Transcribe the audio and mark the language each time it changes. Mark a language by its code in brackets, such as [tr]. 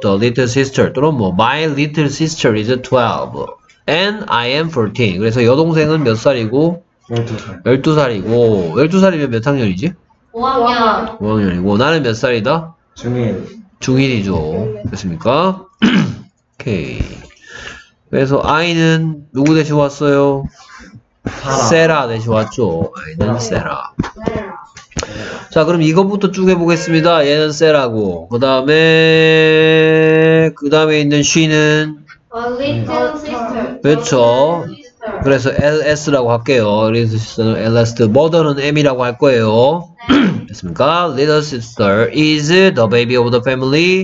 [en] the little sister 또는 뭐 my little sister is 12 and I am 14. [ko] 그래서 여동생은 몇 살이고? 12살이고 12살이면 몇 학년이지? 5학년. 5학년이고 나는 몇 살이다? 중1이죠. 됐습니까? 오케이, 그래서 I는 누구 대신 왔어요? 세라 대신 왔죠. I는 세라. 자, 그럼 이것부터 쭉 해보겠습니다. 얘는 세라고. 그 다음에 있는 she는? [en] A little sister. [ko] 그렇죠. 그래서 ls라고 할게요. little sister는 ls. mother는 m이라고 할 거예요. 네. 됐습니까? [en] little sister is the baby of the family.